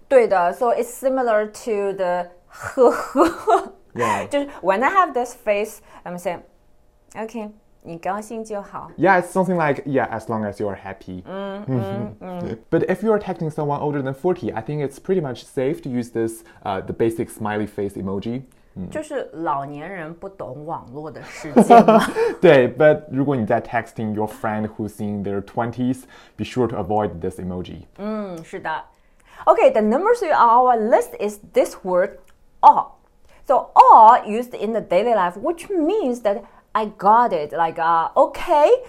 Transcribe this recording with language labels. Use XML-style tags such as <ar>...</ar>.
<zh>对的。</zh> <en>So it's similar to the 呵呵。 Yeah.</en> <zh>就是</zh> <en>when I have this face, I'm saying, okay,</en> <zh>你高兴就好。</zh> <en>Yeah, it's something like, yeah, as long as you are happy. But if you are texting someone older than 40, I think it's pretty much safe to use this, the basic smiley face emoji.</en> <zh>就是老年人不懂网络的世界。</zh> <en>对， but</en> <zh>如果你在</zh> <en>texting your friend who's in their 20s, be sure to avoid this emoji.</en> <zh>是的。</zh> <en>Okay, the number three on our list is this word, all. So all used in the daily life, which means that I got it, like, okay.</en>